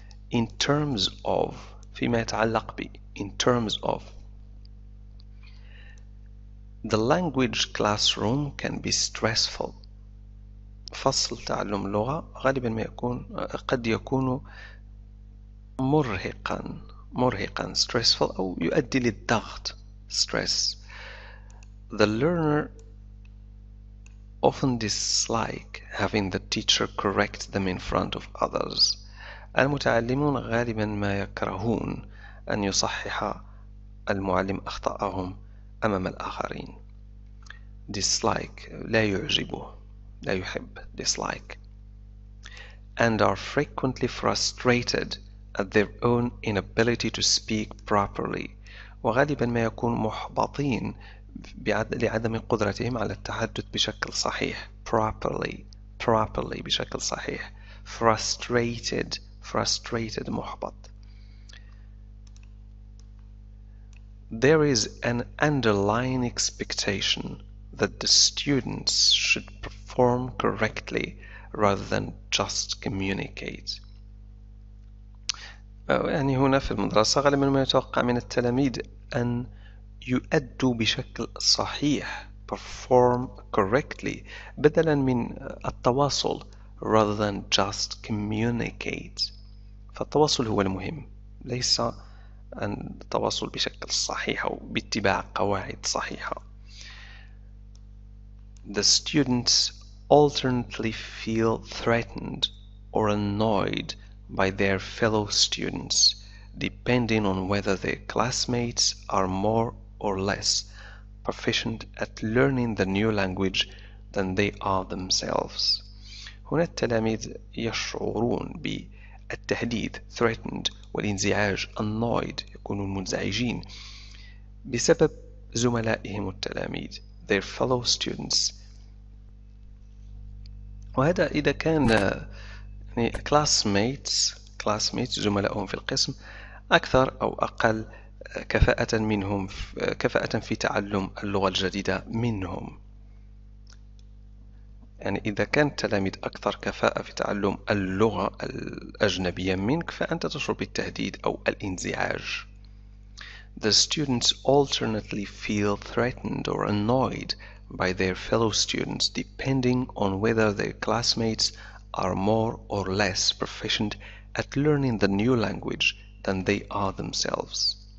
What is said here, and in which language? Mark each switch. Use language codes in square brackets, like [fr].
[en] In terms of, [ar] فيما يتعلق ب, [en] in terms of. The language classroom can be stressful. [ar] فصل تعلم لغة غالبا ما يكون قد يكون مرهقا stressful أو يؤدي للضغط stress. [en] The learner often dislike having the teacher correct them in front of others. [ar] المتعلمون غالبا ما يكرهون أن يصحح المعلم أخطاءهم أمام الآخرين. Dislike لا يعجبه، لا يحب. [en] Dislike. And are frequently frustrated at their own inability to speak properly. [ar] وغالبا ما يكون محبطين لعدم قدرتهم على التحدث بشكل صحيح. Properly. Properly بشكل صحيح. [en] Frustrated. [ar] Frustrated محبط. [en] There is an underlying expectation that the students should perform correctly rather than just communicate. [ar] يعني هنا في المدرسة غالبا ما يتوقع من التلاميذ أن يؤدوا بشكل صحيح, [en] perform correctly, [ar] بدلا من التواصل [en] rather than just communicate. [ar] فالتواصل هو المهم, ليس أن التواصل بشكل صحيح أو باتباع قواعد صحيحة. [en] The students alternately feel threatened or annoyed by their fellow students, depending on whether their classmates are more or less proficient at learning the new language than they are themselves. [ar] هنا التلاميذ يشعرون بالتهديد, threatened, والانزعاج, annoyed, يكونون منزعجين بسبب زملائهم التلاميذ, [en] their fellow students. [ar] وهذا إذا كان يعني classmates زملائهم في القسم أكثر أو أقل كفاءة منهم, كفاءة في تعلم اللغة الجديدة منهم. يعني إذا كان التلاميذ أكثر كفاءة في تعلم اللغة الأجنبية منك فأنت تشعر بالتهديد أو الانزعاج. [en] The students alternately feel threatened or annoyed by their fellow students, depending on whether their classmates are more or less proficient at learning the new language than they are themselves.